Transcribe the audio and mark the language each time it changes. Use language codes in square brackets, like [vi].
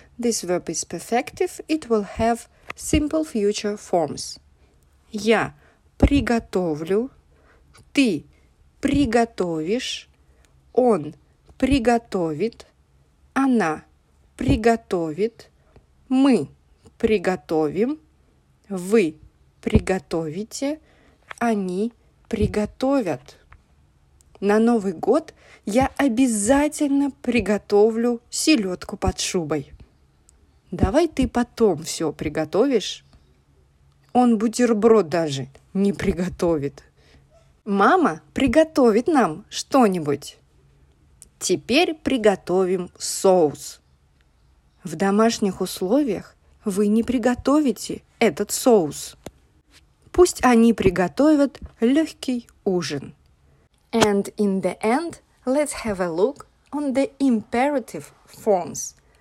[en] This verb is perfective, it will have simple future forms. [ru] Я приготовлю, ты приготовишь, он приготовит, она приготовит, мы приготовим, вы приготовите, они приготовят. На Новый год я обязательно приготовлю селедку под шубой. Давай ты потом все приготовишь. Он бутерброд даже не приготовит. Мама приготовит нам что-нибудь. Теперь приготовим соус. В домашних условиях вы не приготовите этот соус. Пусть они приготовят легкий ужин. [en] And in the end, let's have a look on the imperative forms.